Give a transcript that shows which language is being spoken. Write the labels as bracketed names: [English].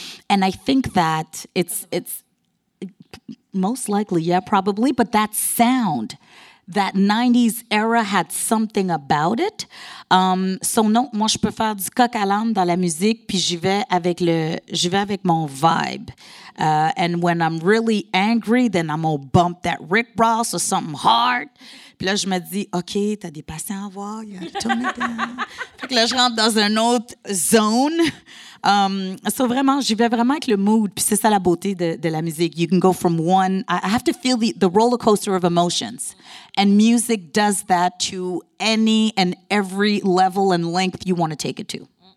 [English] And I think that it's most likely, yeah, probably, but that sound, that 90s era had something about it. [French] So non, moi, je peux faire du coq à l'âne dans la musique, puis j'y vais avec mon vibe. [English] And when I'm really angry, then I'm going to bump that Rick Ross or something hard. [French] Puis là, je me dis, OK, t'as des patients à voir. Fait que là, je rentre dans une autre zone. So vraiment, j'y vais vraiment avec le mood. Puis c'est ça la beauté de la musique. [English] You can go from one. I have to feel the roller coaster of emotions. And music does that to any and every level and length you want to take it to.